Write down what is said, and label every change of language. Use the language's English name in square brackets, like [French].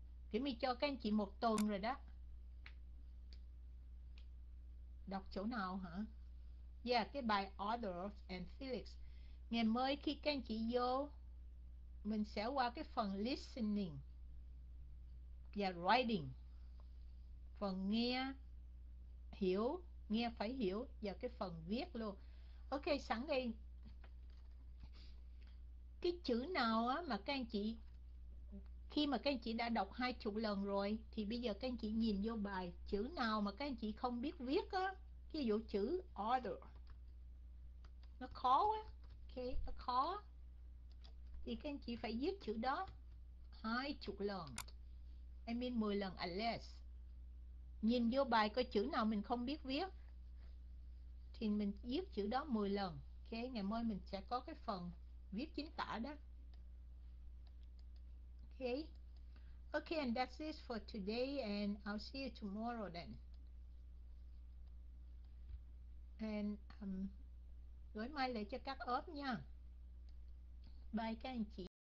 [Vietnamese] Thì mình cho các anh chị một tuần rồi đó. Đọc chỗ nào hả? Yeah, cái bài Order of and Felix. Ngày mới khi các anh chị vô, mình sẽ qua cái phần listening và writing. Phần nghe, hiểu, nghe phải hiểu và cái phần viết luôn. Ok, sẵn đây. Cái chữ nào á mà các anh chị, khi mà các anh chị đã đọc 20 lần rồi thì bây giờ các anh chị nhìn vô bài, chữ nào mà các anh chị không biết viết á, ví dụ chữ order nó khó quá, ok nó khó thì các anh chị phải viết chữ đó 20 lần, I mean 10 lần at least. Nhìn vô bài coi chữ nào mình không biết viết thì mình viết chữ đó 10 lần. Ok, ngày mai mình sẽ có cái phần viết chính tả đó. [English] Ok, and that's it for today, and I'll see you tomorrow then. [Vietnamese] And gửi mail lại cho các ốp nha. Bye các anh chị.